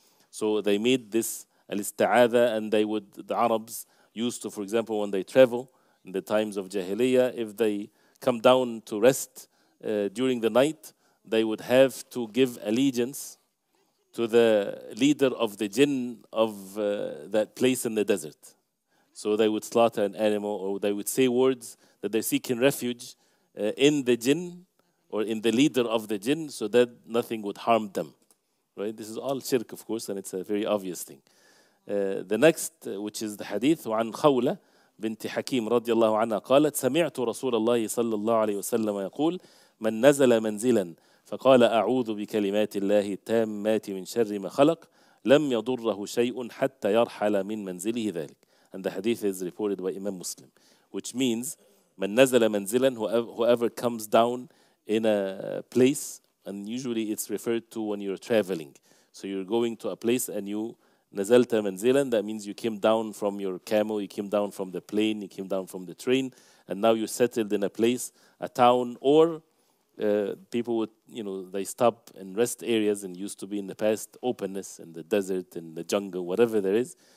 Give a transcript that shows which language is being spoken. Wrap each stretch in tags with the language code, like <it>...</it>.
<en>So they made this al-ista'adha, and they would, the Arabs used to, for example, when they travel in the times of Jahiliyyah, if they come down to rest during the night, they would have to give allegiance to the leader of the jinn of that place in the desert. So they would slaughter an animal, or they would say words that they're seeking refuge in the jinn or in the leader of the jinn so that nothing would harm them. Right? This is all shirk, of course, and it's a very obvious thing. The next, which is the hadith,</en> <ar>وعن خولة بنت حكيم رضي الله عنها قالت سمعت رسول الله صلى الله عليه وسلم يقول من نزل منزلا فقال أعوذ بكلمات الله التامات من شر ما خلق لم يضره شيء حتى يرحل من منزله ذلك.</ar> <en>And the hadith is reported by Imam Muslim, which means</en> <ar>من نزل منزلا,</ar> <en>whoever comes down in a place, and usually it's referred to when you're traveling. So you're going to a place and you</en> <ar>نزلت منزلا,</ar> <en>that means you came down from your camel, you came down from the plane, you came down from the train, and now you settled in a place, a town, or people would, you know, they stop in rest areas, and used to be in the past openness in the desert, in the jungle, whatever there is.</en>